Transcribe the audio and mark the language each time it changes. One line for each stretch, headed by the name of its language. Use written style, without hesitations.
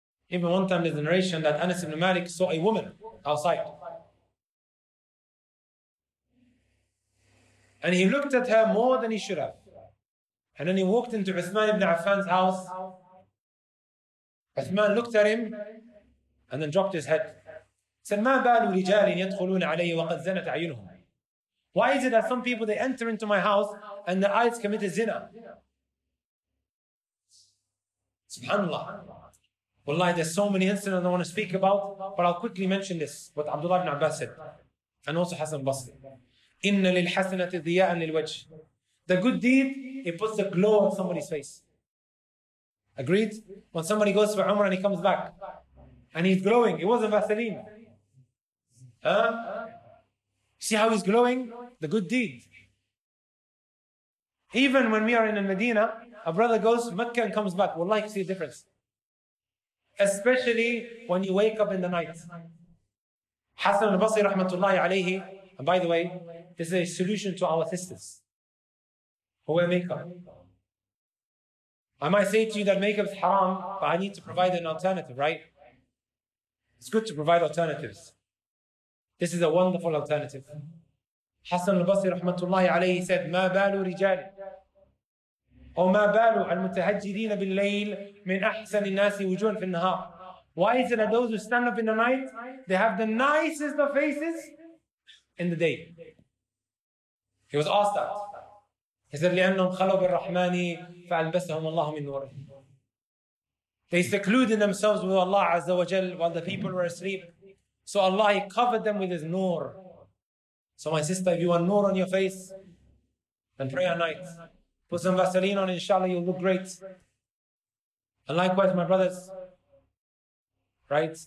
English: Even one time there's a narration that Anas ibn Malik saw a woman outside. And he looked at her more than he should have. And then he walked into Uthman ibn Affan's house. Uthman looked at him and then dropped his head. Said,
Arabic: ما بال رجال يدخلون علي وقد زنت عيونهم.
English: Why is it that some people, they enter into my house and their eyes commit a zina? Subhanallah. Wallahi, there's so many incidents I don't want to speak about, but I'll quickly mention this, what Abdullah ibn Abbas said, and also Hassan Basri.
Arabic: إِنَّ لِلْحَسَنَةِ ضِيَاءً لِلْوَجْهِ.
English: The good deed, it puts a glow on somebody's face. Agreed? When somebody goes for Umrah and he comes back, and he's glowing, it wasn't Vaseline. Huh? See how he's glowing? The good deed. Even when we are in Medina, a brother goes to Mecca and comes back, we'll like to see a difference. Especially when you wake up in the night. Hassan al-Basri
Arabic: rahmatullahi alayhi,
English: and by the way, this is a solution to our sisters who wear makeup. I might say to you that makeup is haram, but I need to provide an alternative, right? It's good to provide alternatives. This is a wonderful alternative. Hassan al-Basri rahmatullahi alayhi said,
Arabic: ما بال رجال أو ما بال المتهجرين بالليل من أحسن الناس وجوها في النهار.
English: Why is it that those who stand up in the night, they have the nicest of faces in the day? He was asked that. He said,
Arabic: لأنهم خلوا بالرحمن فألبسهم الله من نوره.
English: They secluded themselves with Allah Azza wa Jal while the people were asleep. So Allah, He covered them with His nur. So my sister, if you want nur on your face, then pray at night. Put some Vaseline on, inshallah, you'll look great. And likewise, my brothers, right?